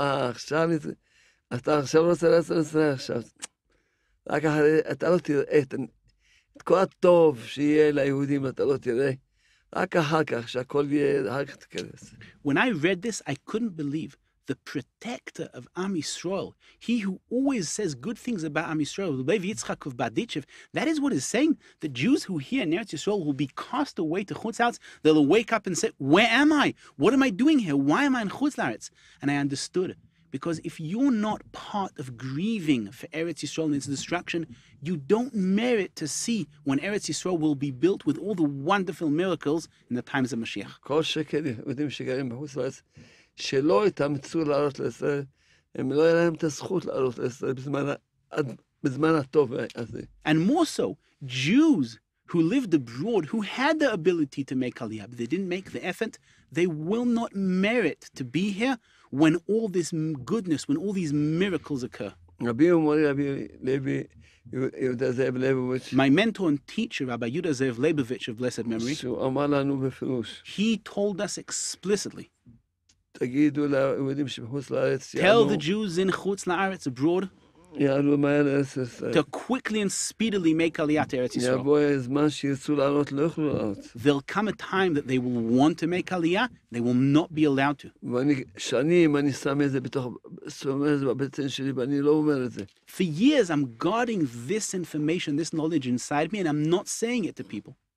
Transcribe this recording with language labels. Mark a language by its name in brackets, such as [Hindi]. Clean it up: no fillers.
[Hebrew] עכשיו, אתה עכשיו רוצה לארץ ישראל עכשיו. רק אחרי, אתה לא תראה את כל הטוב שיהיה ליהודים, אתה לא תראה. רק אחר כך, שהכל יהיה, רק תכנס. [English] When I read this, I couldn't believe the protector of Am Yisrael, he who always says good things about Am Yisrael, Lev Yitzchak of Baditchev, that is what is saying, the Jews who hear in Eretz Yisrael will be cast away to Chutz Laretz. They'll wake up and say, where am I? What am I doing here? Why am I in Chutz Laretz? And I understood, because if you're not part of grieving for Eretz Yisrael and its destruction, you don't merit to see when Eretz Yisrael will be built with all the wonderful miracles in the times of Mashiach. [Hebrew] שלא יתאמצו לעלות לישראל, הם לא יהיה להם את הזכות לעלות לישראל בזמן הטוב הזה. [English] And more so, Jews who lived abroad, who had the ability to make Aliyah, but they didn't make the effort, they will not merit to be here when all this goodness, when all these miracles occur. [Hebrew] רבי ומורי, רבי לוי, יהודה זאב לייבוביץ'. [English] My mentor and teacher, Rabbi Yehuda Zev Leibovich of blessed memory, [Hebrew] שהוא אמר לנו בפירוש. [English] He told us explicitly, [Hebrew] תגידו ליהודים שבחוץ לארץ יעלו. [English] Tell the Jews in חוץ לארץ, abroad, [Hebrew] יעלו מהר לארץ ישראל. [English] To quickly and speedily make Aliyah to Eretz Yisrael. [Hebrew] יבוא הזמן שירצו לעלות, לא יוכלו לעלות. [English] There'll come a time that they will want to make Aliyah, they will not be allowed to. [Hebrew] ואני, שנים אני שם את זה בתוך, שם את זה בבטן שלי, ואני לא אומר את זה. [English] For years I'm guarding this information, this knowledge inside me, and I'm not saying it to people.